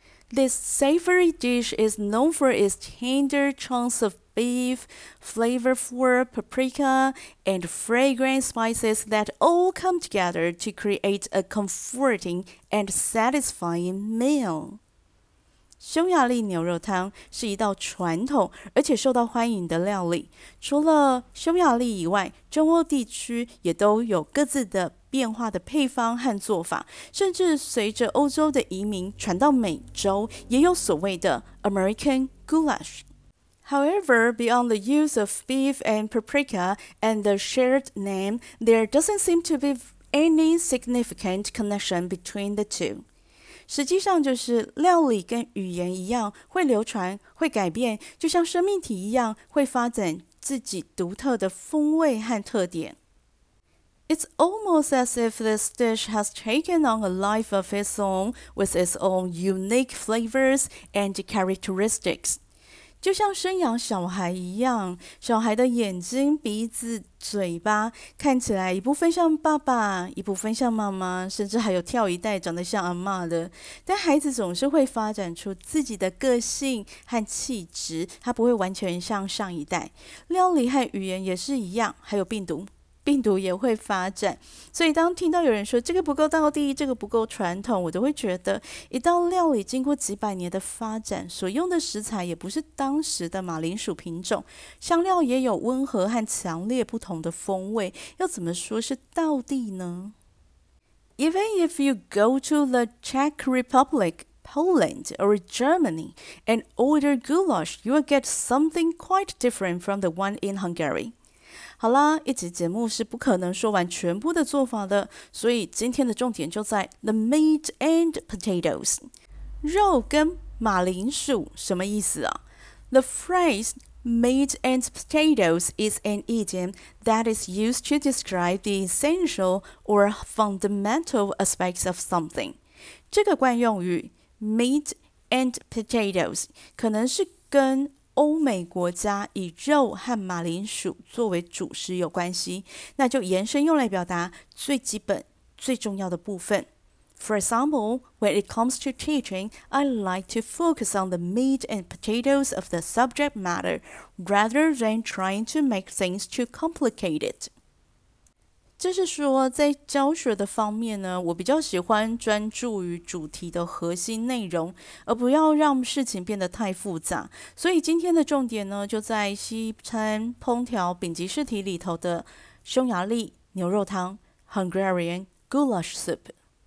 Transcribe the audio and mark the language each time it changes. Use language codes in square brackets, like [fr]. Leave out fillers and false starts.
[en] This savory dish is known for its tender chunks of beef, flavorful paprika, and fragrant spices that all come together to create a comforting and satisfying meal. [zh] 匈牙利牛肉汤是一道传统而且受到欢迎的料理，除了匈牙利以外，中欧地区也都有各自的变化的配方和做法，甚至随着欧洲的移民传到美洲，也有所谓的 American goulash。 [en] However, beyond the use of beef and paprika and the shared name, there doesn't seem to be any significant connection between the two. [zh] 实际上就是料理跟语言一样会流传会改变，就像生命体一样会发展自己独特的风味和特点。 [en] It's almost as if this dish has taken on a life of its own with its own unique flavors and characteristics. [zh] 就像生养小孩一样，小孩的眼睛、鼻子、嘴巴看起来一部分像爸爸，一部分像妈妈，甚至还有跳一代长得像阿嬷的。但孩子总是会发展出自己的个性和气质，他不会完全像上一代。料理和语言也是一样，还有病毒，病毒也会发展。所以当听到有人说这个不够道地，这个不够传统，我都会觉得一道料理经过几百年的发展，所用的食材也不是当时的马铃薯品种，香料也有温和和强烈不同的风味，要怎么说是道地呢？ [en] Even if you go to the Czech Republic, Poland, or Germany and order goulash, you will get something quite different from the one in Hungary. [zh] 好啦，一集节目是不可能说完全部的做法的，所以今天的重点就在 [en] the meat and potatoes。 [zh] 肉跟马铃薯什么意思啊？ [en] The phrase meat and potatoes is an idiom that is used to describe the essential or fundamental aspects of something。 [zh] 这个惯用语 [en] meat and potatoes [zh] 可能是跟欧美国家以肉和马铃薯作为主食有关系，那就延伸用来表达最基本、最重要的部分。 [en] For example, when it comes to teaching, I like to focus on the meat and potatoes of the subject matter rather than trying to make things too complicated. [zh] 就是说在教学的方面呢，我比较喜欢专注于主题的核心内容，而不要让事情变得太复杂。所以今天的重点呢，就在西餐烹调丙级试题里头的匈牙利牛肉汤 Hungarian goulash soup。